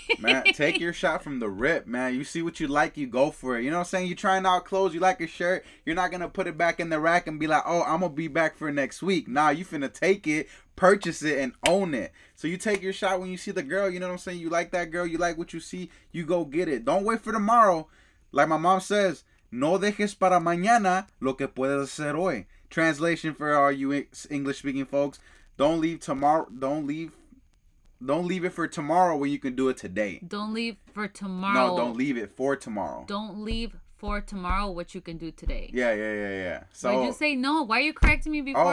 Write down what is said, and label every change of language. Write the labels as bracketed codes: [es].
[en] Man, take your shot from the rip, man. You see what you like, you go for it. You know what I'm saying? You're trying out clothes, you like a shirt. You're not going to put it back in the rack and be like, oh, I'm going to be back for next week. Nah, you finna take it, purchase it, and own it. So you take your shot when you see the girl, you know what I'm saying? You like that girl, you like what you see, you go get it. Don't wait for tomorrow. Like my mom says, [es] no dejes para mañana lo que puedes hacer hoy. [en] Translation for all you English-speaking folks, don't leave it for tomorrow when you can do it today. Don't leave for tomorrow. No, don't leave it for tomorrow. Don't leave for tomorrow what you can do today. Yeah. So did you say no? Why are you correcting me before?